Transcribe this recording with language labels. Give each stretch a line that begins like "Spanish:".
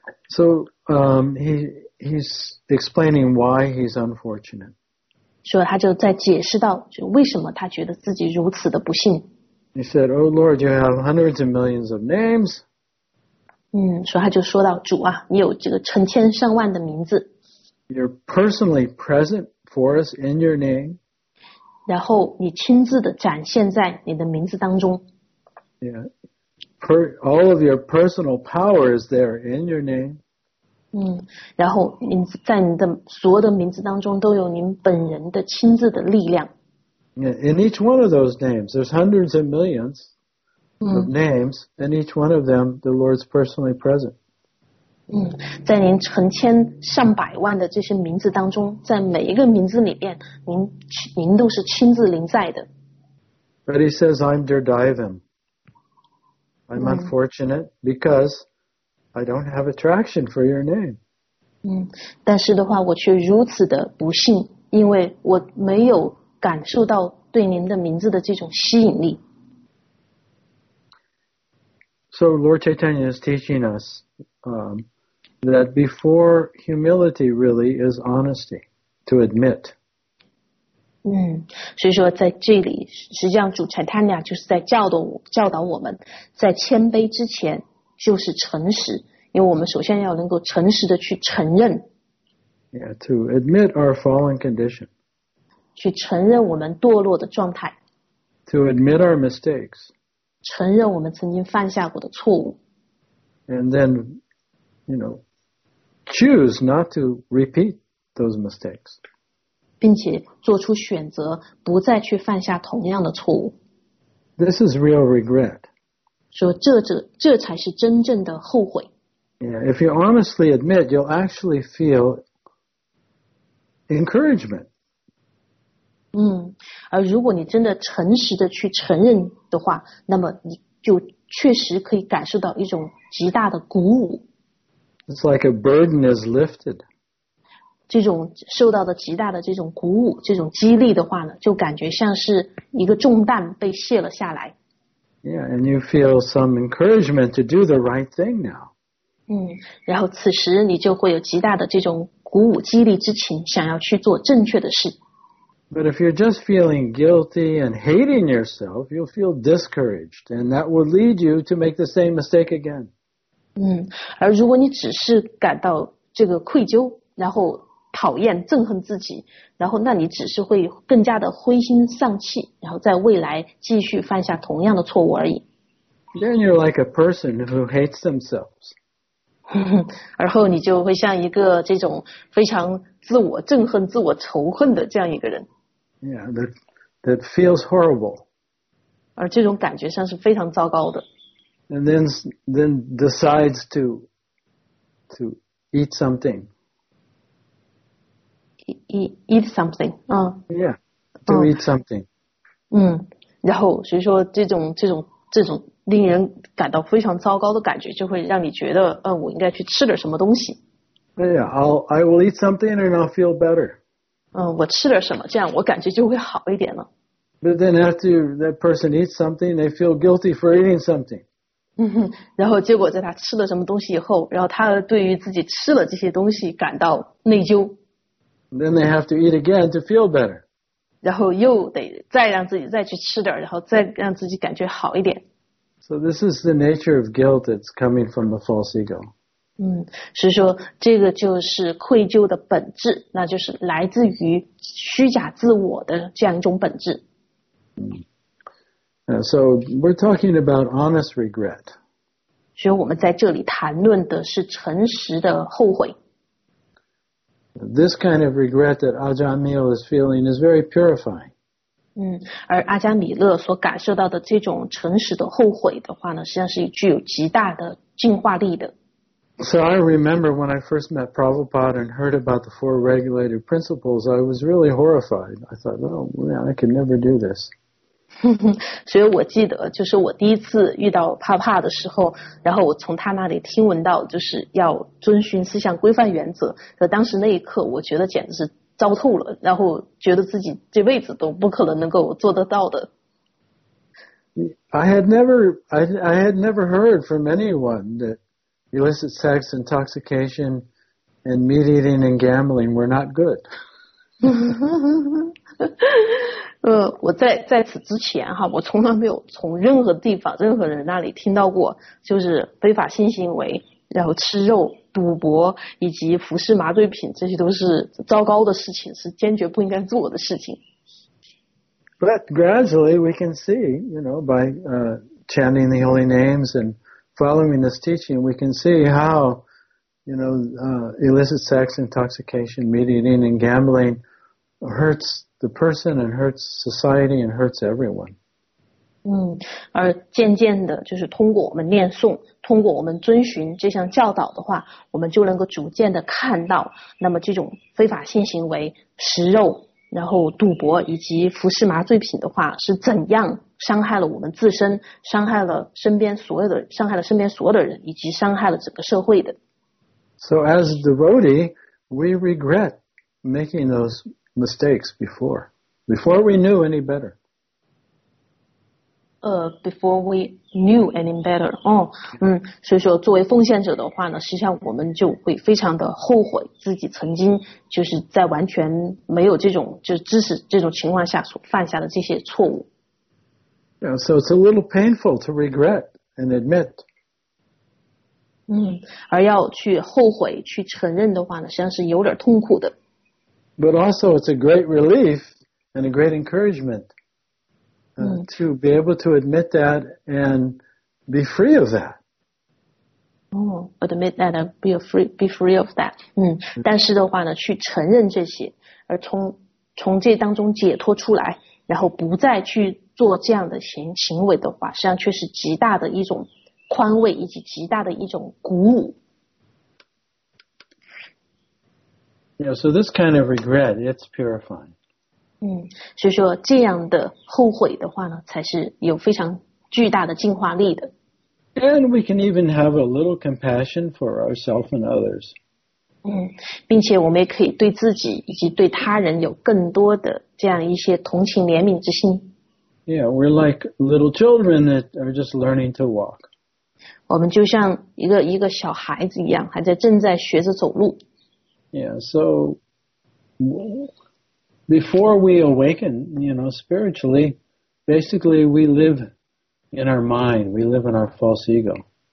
English: So, he's explaining why he's unfortunate.
Chinese: 所以他就在解释到，就为什么他觉得自己如此的不幸。
English: He said, "Oh Lord, you have hundreds of millions of names."
Chinese: 所以他就说到，主啊，你有这个成千上万的名字。
English: You're personally present for us in your name.
Chinese: 然后你亲自的展现在你的名字当中。
English: All of your personal power is there in your name.
Chinese: 然后你在你的所有的名字当中都有您本人的亲自的力量。
English: In each one of those names, there's hundreds of millions of names, and each one of them, the Lord's personally present.
Chinese: 在您成千上百万的这些名字当中，在每一个名字里面，您都是亲自临在的。
English: But he says, I'm Dirdaivam. I'm unfortunate because I don't have attraction for your name.
Chinese: 但是的话，我却如此的不幸，因为我没有感受到对您的名字的这种吸引力。
English: So Lord Chaitanya is teaching us, that before humility really is honesty, to admit.
Chinese: 所以说在这里，实际上主柴坦尼亚就是在教导我们，在谦卑之前就是诚实，因为我们首先要能够诚实的去承认。
English: Yeah, to admit our fallen condition.
Chinese: 去承认我们堕落的状态。
English: To admit our mistakes.
Chinese: 承认我们曾经犯下过的错误。
English: And then, you know, choose not to repeat those mistakes.
Chinese: 并且做出选择，不再去犯下同样的错误。
English: This is real regret.
Chinese: 说这才是真正的后悔。
English: Yeah, if you honestly admit, you'll actually feel encouragement.
Chinese: 而如果你真的诚实的去承认的话，那么你就确实可以感受到一种极大的鼓舞。
English: It's like a burden is lifted.
Chinese: 这种受到的极大的这种鼓舞，这种激励的话呢，就感觉像是一个重担被卸了下来。
English: Yeah, and you feel some encouragement to do the right thing now.
Chinese: 然后此时你就会有极大的这种鼓舞激励之情，想要去做正确的事。
English: But if you're just feeling guilty and hating yourself, you'll feel discouraged, and that will lead you to make the same mistake again.
Chinese: 而如果你只是感到这个愧疚，然后讨厌、憎恨自己，然后那你只是会更加的灰心丧气，然后在未来继续犯下同样的错误而已。
English: Then you're like a person who hates themselves.
Chinese: 而后你就会像一个这种非常自我憎恨、自我仇恨的这样一个人。
English: Yeah, that feels horrible.
Chinese: 而这种感觉上是非常糟糕的。
English: And then decides to eat something. Eat something. Yeah, to eat something.
Chinese: 然后所以说这种令人感到非常糟糕的感觉，就会让你觉得，我应该去吃点什么东西。
English: Yeah, I will eat something and I'll feel better.
Chinese: 我吃点什么，这样我感觉就会好一点了。
English: But then after that person eats something, they feel guilty for eating something.
Chinese: 然后结果在他吃了什么东西以后，然后他对于自己吃了这些东西感到内疚。
English: Then they have to eat again to feel better.
Chinese: 然后又得再让自己再去吃点，然后再让自己感觉好一点。
English: So this is the nature of guilt that's coming from the false ego.
Chinese: 嗯，是说这个就是愧疚的本质，那就是来自于虚假自我的这样一种本质。
English: So we're talking about honest regret.
Chinese: 所以我们在这里谈论的是诚实的后悔。
English: This kind of regret that Ajahn Mil is feeling is very purifying.
Chinese: 嗯，而阿加米勒所感受到的这种诚实的后悔的话呢，实际上是具有极大的净化力的。
English: So I remember when I first met Prabhupada and heard about the four regulated principles, I was really horrified. I thought, oh man, I can never do this.
Chinese: 所以我记得就是我第一次遇到帕帕的时候，然后我从他那里听闻到就是要遵循四项规范原则，可当时那一刻我觉得简直是糟透了，然后觉得自己这辈子都不可能能够做得到的。
English: I had never heard from anyone that illicit sex, intoxication, and meat eating and gambling were not good.
Chinese: 我在此之前哈，我从来没有从任何地方、任何人那里听到过，就是非法性行为，然后吃肉。赌博以及服侍麻醉品，这些都是糟糕的事情，是坚决不应该做的事情。
English: But gradually we can see, you know, by chanting the holy names and following this teaching, we can see how, you know, illicit sex, intoxication, meat eating, and gambling hurts the person and hurts society and hurts everyone.
Chinese: 嗯，而渐渐的，就是通过我们念诵。通过我们遵循这项教导的话，我们就能够逐渐的看到，那么这种非法性行为、食肉、然后赌博以及服侍麻醉品的话，是怎样伤害了我们自身，伤害了身边所有的，伤害了身边所有的人，以及伤害了整个社会的。
English: So as a devotee, we regret making those mistakes before we knew any better. Before we knew any better.
Chinese: 所以说作为奉献者的话呢，实际上我们就会非常的后悔自己曾经就是在完全没有这种就知识这种情况下所犯下的这些错误。
English: Yeah, so it's a little painful to regret and admit.
Chinese: 而要去后悔去承认的话呢，实际上是有点痛苦的。
English: But also it's a great relief and a great encouragement. To be able to admit that and be free of that. Admit that and be free of that.
Chinese: 但是的话呢，去承认这些，而从这当中解脱出来，然后不再去做这样的行为的话，实际上却是极大的一种宽慰以及极大的一种鼓舞。
English: Yeah, so this kind of regret, it's purifying.
Chinese: 所以说这样的后悔的话呢，才是有非常巨大的净化力的。
English: And we can even have a little compassion for ourselves and others.
Chinese: 并且我们也可以对自己以及对他人有更多的这样一些同情怜悯之心。
English: Yeah, we're like little children that are just learning to walk.
Chinese: 我们就像一个小孩子一样，还在正在学着走路。
English: Yeah, so. Before we awaken, you know, spiritually, basically we live in our mind, we live in our false ego.